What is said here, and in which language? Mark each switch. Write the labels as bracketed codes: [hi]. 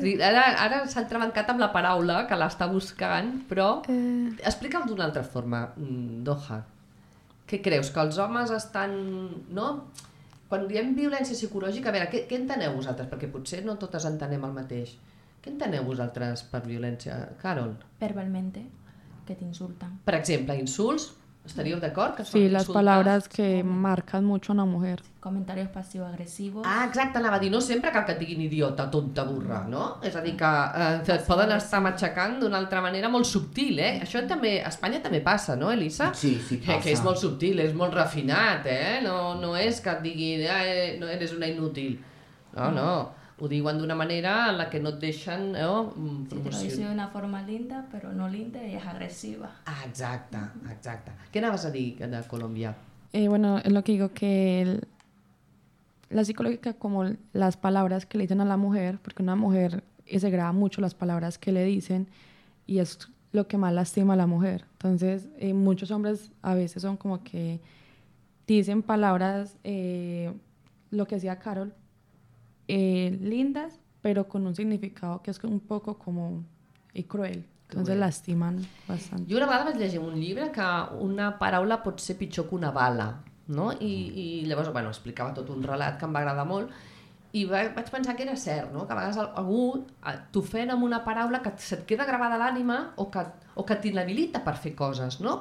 [ca] Ara s'ha entrebancat amb la paraula que l'està buscant, però explica'm d'una altra forma, Doha. Què creus? Que els homes estan... No? Quan diem violència psicològica, a veure, què enteneu vosaltres? Perquè potser no totes entenem el mateix. Què enteneu vosaltres per violència, Carol? Verbalmente, que t'insulten. Per exemple, insults? Estaríeu d'acord? Sí, són les insultes? [es] Palabras que marcan mucho a una mujer. Comentarios pasivo-agresivos. [ca] Ah, exacte, anava a dir, no sempre cal que et diguin idiota, tonta, burra, no? És a dir, que et poden estar matxacant d'una altra manera molt subtil, eh? Això també, a Espanya també passa, no, Elisa? Sí, sí, passa. Que és molt subtil, és molt refinat, eh? No és que et diguin, no, [es] eres una inútil. [ca] No. Ho diuen d'una manera en la que no et deixen promocionar. [es] Sí, te lo dice de una forma linda, pero no linda, y es agresiva. [ca] Ah, exacte. Què anaves a dir de Colòmbia? [es] Bueno, es lo que digo, que la psicológica, como las palabras que le dicen a la mujer, porque una mujer se graba mucho las palabras que le dicen y es lo que más lastima a la mujer. Entonces, muchos hombres a veces son como que dicen palabras, lo que decía Carol, lindas, pero con un significado que es un poco como y cruel. Entonces lastiman bastante. [ca] Yo una vegada vaig llegir un llibre que una paraula pot ser pitjor que una bala, no? I llavors, bueno, explicava tot un relat que em va agradar molt i vaig pensar que era cert, no? Que a vegades algú t'ofèn amb una paraula que se't queda gravada a l'ànima o que t'inhabilita per fer coses, no?